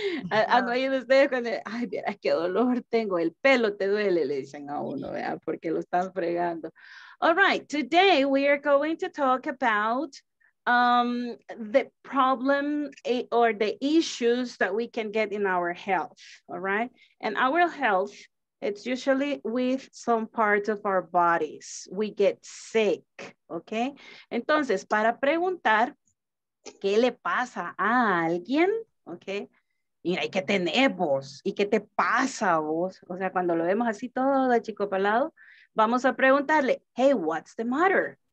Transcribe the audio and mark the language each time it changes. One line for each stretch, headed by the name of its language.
Spanish: Han oído ustedes cuando, ay, mira qué dolor tengo, el pelo te duele, le dicen a uno, vea, porque lo están fregando.
English: All right, today we are going to talk about the problem or the issues that we can get in our health, all right? And our health, it's usually with some parts of our bodies. We get sick, okay?
Spanish: Entonces, para preguntar, ¿qué le pasa a alguien? ¿Ok? Mira, ¿y qué tenés vos? ¿Y qué te pasa a vos? O sea, cuando lo vemos así todo de chico palado, vamos a preguntarle,
English: hey, what's the matter?